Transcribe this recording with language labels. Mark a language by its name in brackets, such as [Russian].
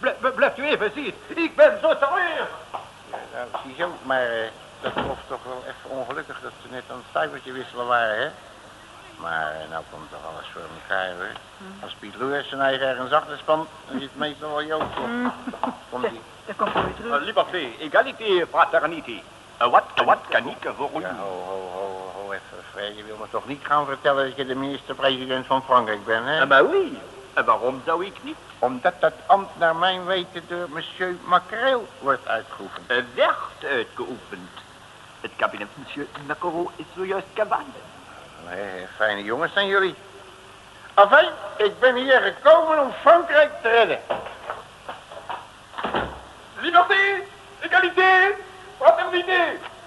[Dutch] Blijft u even zitten. Ik ben zo terug. Ja, nou, ziezo, maar dat was toch wel even ongelukkig dat ze net aan het cijfertje wisselen waren, hè? Maar nou komt toch alles voor elkaar, hoor. Als Piet Loer zijn eigen ergens achterspan, dan zit het meestal wel Joop. Komt ie. Dat komt voor u terug. [French] Liberté, égalité, fraternité. [Dutch] Wat kan ik voor u? Ja, ho, even, Fred. Je wil me toch niet gaan vertellen dat je de minister-president van Frankrijk bent, hè? Maar oui. En waarom zou ik niet? Omdat dat ambt naar mijn weten door monsieur Macrel wordt uitgeoefend. Werd uitgeoefend. Het kabinet monsieur Macaro is zojuist gewandeld. Nee, fijne jongens zijn jullie. Enfin, ik ben hier gekomen om Frankrijk te redden. [French] Liberté, égalité, fraternité.